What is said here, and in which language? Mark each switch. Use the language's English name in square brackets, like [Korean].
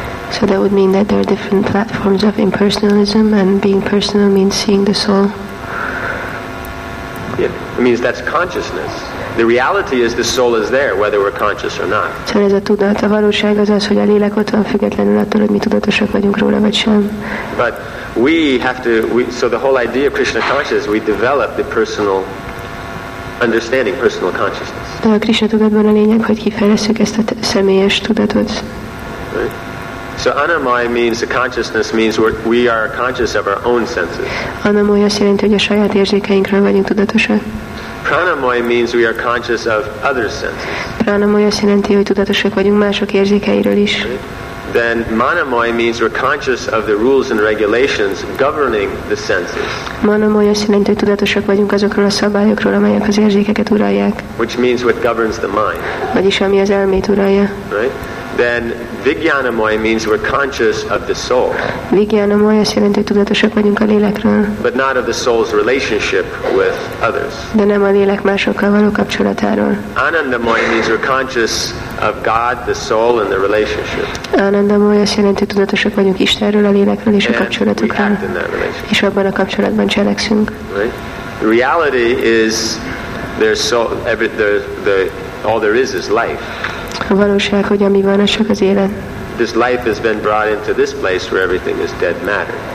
[English] So that would mean that there are different platforms of impersonalism, and being personal means seeing the soul. It means that's consciousness. The reality is the soul is there, whether we're conscious or not. [Hungarian] So ez a tudat, a valóság az az, hogy a lélek ott van, függetlenül attól, hogy mi tudatosak vagyunk róla vagy sem. [English] But we have to. So the whole idea of Krishna consciousness, we develop the personal understanding, personal consciousness. [Hungarian] De a Krishna tudatban a lényeg, hogy kifejlesszük ezt a személyes tudatot. [English] Right? So anamaya means the consciousness means we are conscious of our own senses. [Hungarian] Anamaya jelenti, hogy a saját érzékeinkről vagyunk tudatosak. [English] Pranamaya means we are conscious of other senses. [Hungarian] Pranamaya jelenti, hogy tudatosak vagyunk mások érzékeiről is. [English] Then manamaya means we're conscious of the rules and regulations governing the senses. [Hungarian] Manamaya jelenti, hogy tudatosak vagyunk azokról a szabályokról, amelyek az érzékeket uralják. [English] Which means what governs the mind. [Hungarian] Vagyis ami az elmét uralja. [English] Right? Then vijnanamaya means we're conscious of the soul. [Hungarian] Vijnanamaya azt jelenti, hogy tudatosak vagyunk a lélekről. [English] But not of the soul's relationship with others. [Hungarian] De nem a lélek másokkal való kapcsolatáról. [English] Anandamaya means we're conscious of God, the soul, and the relationship. [Hungarian] Anandamaya azt jelenti, hogy tudatosak vagyunk Istenről, a lélekről és a kapcsolatukról. És abban a kapcsolatban cselekszünk. [English] Right? Reality is there's so every the all there is life. [Hungarian] A valóság, hogy ami van, az csak az élet. [English] This life has been brought into this place where everything is dead matter.